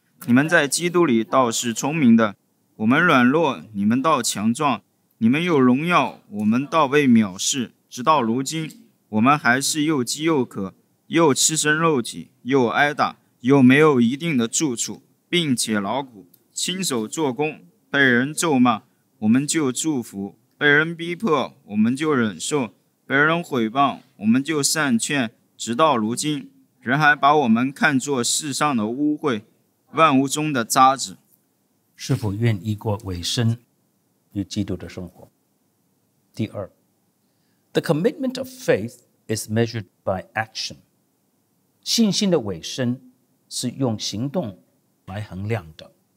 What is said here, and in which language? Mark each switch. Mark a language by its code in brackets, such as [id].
[zh] 你们在基督里倒是聪明的，我们软弱，你们倒强壮，你们有荣耀，我们倒被藐视，直到如今我们还是又饥又渴，又吃身肉体，又挨打，又没有一定的住处，并且劳苦，亲手做工，被人咒骂，我们就祝福；被人逼迫，我们就忍受；被人毁谤，我们就善劝。直到如今，人还把我们看作世上的污秽，万物中的渣滓。是否愿意过委身与基督的生活？第二 ， [en] The commitment of faith is measured by action. [zh] 信心的委身是用行动来衡量的。